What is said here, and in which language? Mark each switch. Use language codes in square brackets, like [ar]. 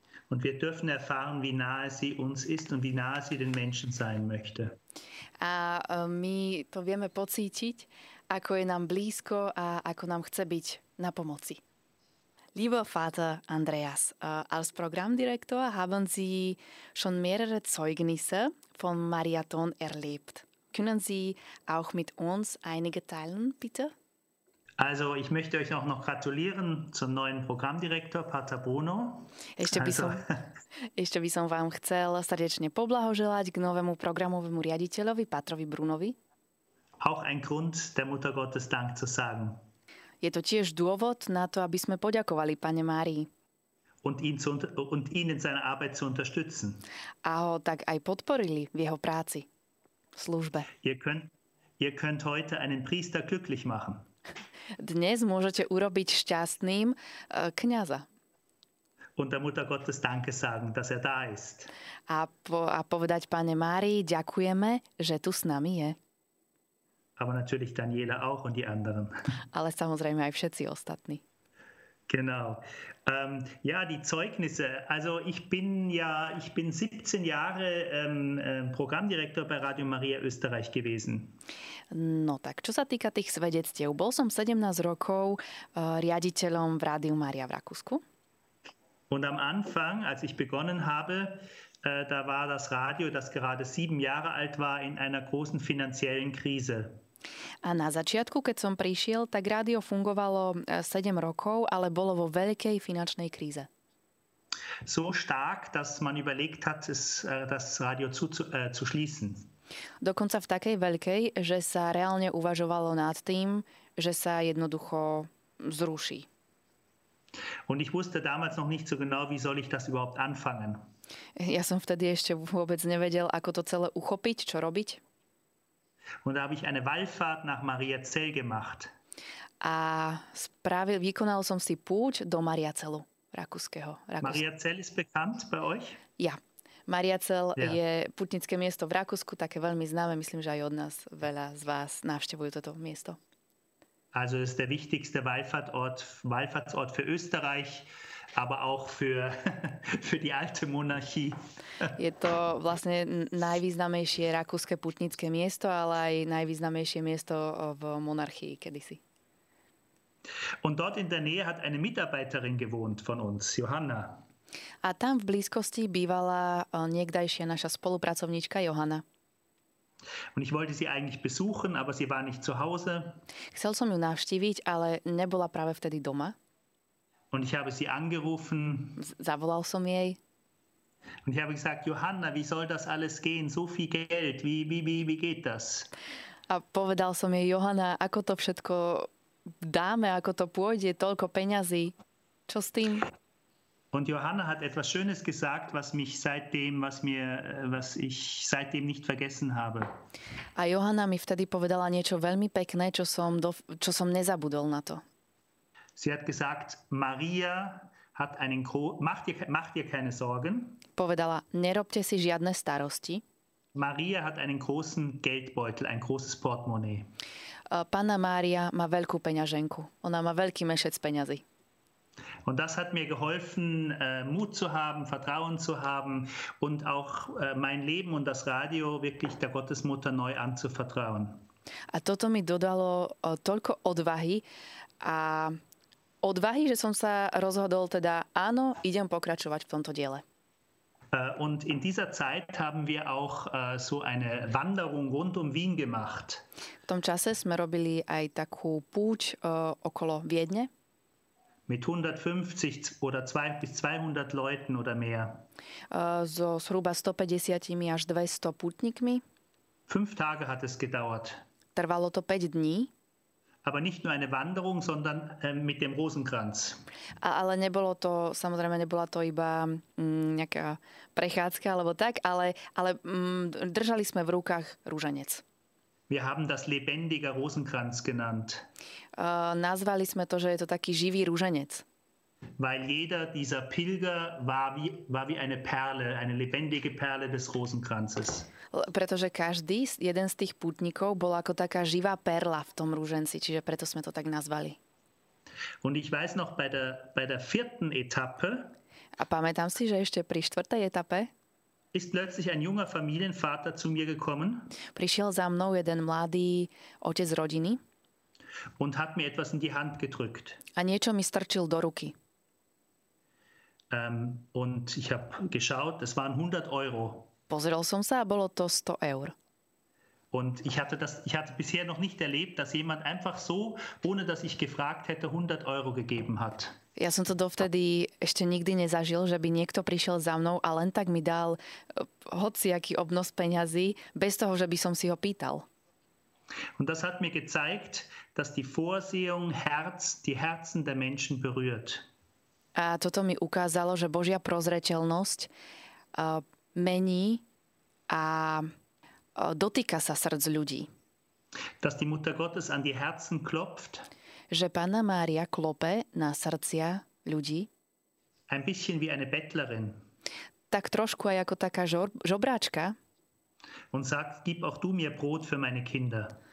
[de] Und wir dürfen erfahren, wie nahe sie uns ist und wie nahe sie den Menschen sein möchte. [sk] A my to vieme pocítiť, ako je nám blízko a ako nám chce byť na pomoci. [de] Lieber Vater Andreas, als Programmdirektor haben Sie schon mehrere Zeugnisse vom Marathon erlebt. Können Sie auch mit uns einige teilen, bitte? Also, ich möchte euch auch noch gratulieren zum neuen Programmdirektor, Pater Bruno. [sk] Ešte by som vám chcel srdečne poblahoželať k novému programovému riaditeľovi, Patrovi Brunovi. [de] Auch ein Grund, der Mutter Gottes Dank zu sagen. [sk] Je to tiež dôvod na to, aby sme poďakovali Pane Márii. [de] Und ihn in seiner Arbeit zu unterstützen. [sk] A ho tak aj podporili v jeho práci, v službe. [de] Ihr könnt heute einen Priester glücklich machen. [sk] Dnes môžete urobiť šťastným kňaza. [de] Und der Mutter Gottes Danke sagen, dass er da ist. [sk] A povedať Pane Márii, ďakujeme, že tu s nami je. [de] Aber natürlich Daniela auch und die anderen. [sk] Ale samozrejme aj všetci ostatní. [de] Genau. Ja, die Zeugnisse. Also ich bin 17 Jahre Programmdirektor bei Radio Maria Österreich gewesen. [sk] No tak, čo sa týka tých svedectiev, bol som 17 rokov riaditeľom v Rádiu Maria v Rakúsku. [de] Und am Anfang, als ich begonnen habe, da war das Radio, das gerade 7 Jahre alt war, in einer großen finanziellen Krise. [sk] A na začiatku, keď som prišiel, tak rádio fungovalo 7 rokov, ale bolo vo veľkej finančnej kríze. [de] So stark, dass man überlegt hat, das Radio zu schließen. [sk] Dokonca v takej veľkej, že sa reálne uvažovalo nad tým, že sa jednoducho zruší. [de] Und ich wusste damals noch nicht so genau, wie soll ich das überhaupt anfangen. [sk] Ja som vtedy ešte vôbec nevedel, ako to celé uchopiť, čo robiť. [de] Und da habe ich eine Wallfahrt nach Mariazell gemacht. [sk] A vykonal som si púť do Mariazellu rakúskeho. [de] Mariazell ist bekannt bei euch? Ja. [sk] Mariazell je putnické miesto v Rakúsku, také veľmi známe. Myslím, že aj od nás veľa z vás navštevujú toto miesto. [de] Also ist der wichtigste Wallfahrtsort für Österreich, aber auch für die alte Monarchie. [sk] Je to vlastne najvýznamnejšie rakúske putnické miesto, ale aj najvýznamnejšie miesto v monarchii kedysi. [de] Und dort in der Nähe hat eine Mitarbeiterin gewohnt von uns, Johanna. [sk] A tam v blízkosti bývala niekdajšia naša spolupracovníčka Johana. [de] Und ich wollte sie eigentlich besuchen, aber sie war nicht zu Hause. [sk] Chcel som ju navštíviť, ale nebola práve vtedy doma. [de] Und ich habe sie angerufen. [sk] Zavolal som jej. [de] Und ich habe gesagt, Johanna, wie soll das alles gehen? So viel Geld, wie geht das? [sk] A povedal som jej, Johanna, ako to všetko dáme, ako to pôjde, toľko peňazí. Čo s tým? [de] Und Johanna hat etwas Schönes gesagt, was ich seitdem nicht vergessen habe. [sk] A Johanna mi vtedy povedala niečo veľmi pekné, čo som nezabudol na to. [de] Sie hat gesagt, Maria hat einen macht dir keine Sorgen. [sk] Povedala, nerobte si žiadne starosti. [de] Maria hat einen großen Geldbeutel, ein großes Portemonnaie. [sk] Panna Maria má veľkú peňaženku. Ona má veľký mešec peňazí. [de] Und das hat mir geholfen, Mut zu haben, Vertrauen zu haben und auch mein Leben und das Radio wirklich der Gottesmutter neu anzuvertrauen. [sk] A toto mi dodalo toľko odvahy a odvahy, že som sa rozhodol teda áno, idem pokračovať v tomto diele. [de] Und in dieser Zeit haben wir auch so eine Wanderung rund um Wien gemacht. [sk] V tom čase sme robili aj takú púť okolo Viedne. [de] Mit 150 oder 200 Leuten oder mehr. [sk] So zhruba 150 až 200 putníkmi. [de] 5 Tage hat es gedauert. [sk] Trvalo to 5 dní. [de] Aber nicht nur eine Wanderung, sondern mit dem Rosenkranz. [sk] Ale nebolo to, samozrejme, nebola to iba nejaká prechádzka alebo tak, ale držali sme v rukách rúženec. [de] Wir haben das lebendiger Rosenkranz genannt. [sk] Nazvali sme to, že je to taký živý rúženec. [de] Weil jeder dieser Pilger war wie eine Perle, eine lebendige Perle des Rosenkranzes. [sk] Pretože každý jeden z tých pútnikov bol ako taká živá perla v tom rúženci, čiže preto sme to tak nazvali. [de] Und ich weiß noch bei der vierten Etappe. [sk] A pamätám si, že ešte pri štvrtej etape [de] ist plötzlich ein junger Familienvater zu mir gekommen. [sk] Prišiel za mnou jeden mladý otec rodiny. [de] Und hat mir etwas in die Hand gedrückt. [sk] A niečo mi strčil do ruky. [de] Und ich habe geschaut, es waren 100 Euro. [sk] Pozrel som sa a bolo to 100 €. [de] Und ich hatte bisher noch nicht erlebt, dass jemand einfach so, ohne dass ich gefragt hätte, 100 € gegeben hat. [sk] Ja som to dovtedy ešte nikdy nezažil, že by niekto prišiel za mnou a len tak mi dal hociaký obnos peňazí, bez toho, že by som si ho pýtal. [de] Und das hat mir gezeigt, dass die Vorsehung die Herzen der Menschen berührt. [sk] A toto mi ukázalo, že Božia prozreteľnosť mení a dotýka sa srdc ľudí. [de] Dass die Mutter Gottes an die Herzen klopft. [sk] Že Panna Mária klope na srdcia ľudí. [de] Ein bisschen wie eine Bettlerin. [sk] Tak trošku aj ako taká žobráčka. [de] Und sagt, gib auch du mir Brot für meine Kinder.